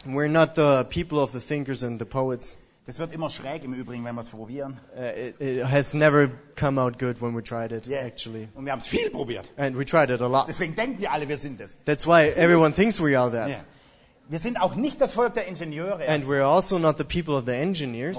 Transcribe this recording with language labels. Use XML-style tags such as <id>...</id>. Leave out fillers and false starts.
<en>We're not the people of the thinkers and the poets.</en> <de>Das wird immer schräg im Übrigen, wenn wir es probieren.</de> <en>It has never come out good when we tried it, actually.</en> <de>Und wir haben es viel probiert.</de> <en>And we tried it a lot.</en> <de>Deswegen denken wir alle, wir sind es.</de> <en>That's why everyone thinks we are that.</en> <de>Wir sind auch nicht das Volk der Ingenieure.</de> <en>And we're also not the people of the engineers.</en>